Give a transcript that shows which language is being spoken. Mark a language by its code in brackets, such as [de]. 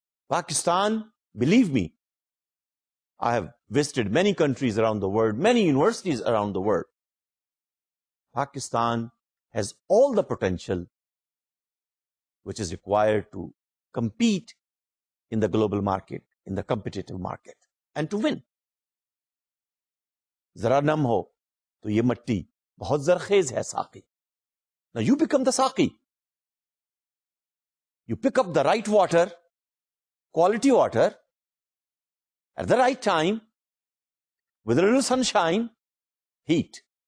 [en] Pakistan, believe me, I have visited many countries around the world, many universities around the world. Pakistan has all the potential which is required to compete in the global market, in the competitive market. And to win. [ur] ذرا نم ہو تو یہ مٹی بہت زرخیز ہے ساقی. [en] Now you become the ساقی. You pick up the right water, quality water, at the right time, with a little sunshine, heat.